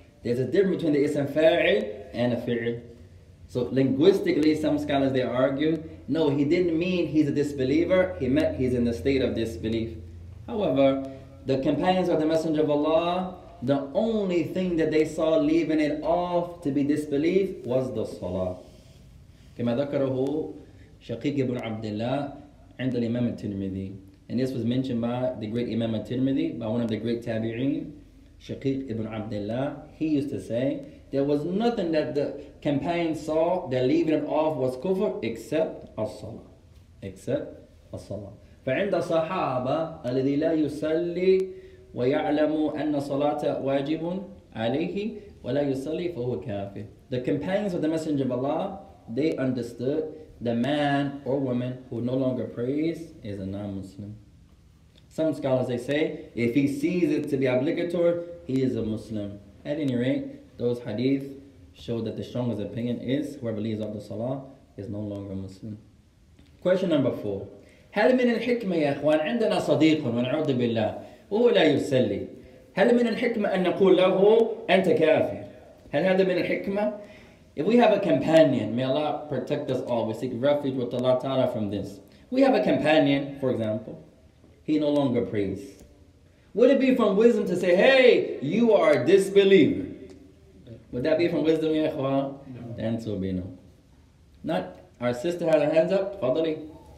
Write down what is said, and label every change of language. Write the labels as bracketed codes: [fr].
[en] There's a difference between the ism fa'il and a fi'il. So linguistically, some scholars, they argue, no, he didn't mean he's a disbeliever. He meant he's in the state of disbelief. However, the companions of the Messenger of Allah, the only thing that they saw leaving it off to be disbelief was the salah. [ar] كما ذكره شقيق بن عبد الله عند الإمام الترمذي. [en] And this was mentioned by the great Imam al-Tirmidhi, by one of the great tabi'een, Shaqiq ibn Abdullah. He used to say, there was nothing that the companions saw that leaving it off was kufr except as-salah. Except as-salah. [ar] فعند صحابة الذي لا يصلي ويعلم أن صلاة واجب عليه ولا يصلي فهو كافر. [en] The companions of the Messenger of Allah, they understood the man or woman who no longer prays is a non-Muslim. Some scholars, they say, if he sees it to be obligatory, he is a Muslim. At any rate, those hadith show that the strongest opinion is whoever leaves off the salah is no longer a Muslim. Question number 4. [ar] هل من الحكمة يا أخوان عندنا صديق ونعوذ بالله وهو لا يسلي هل من الحكمة أن نقول له أنت كافر هل هذا من الحكمة؟ [en] If we have a companion, may Allah protect us all, we seek refuge with Allah Ta'ala from this. We have a companion, for example, he no longer prays. Would it be from wisdom to say, hey, you are a disbeliever? Would that be from wisdom, ya ikhwan? No. The answer would be no. Not, our sister had her hands up, Fadali.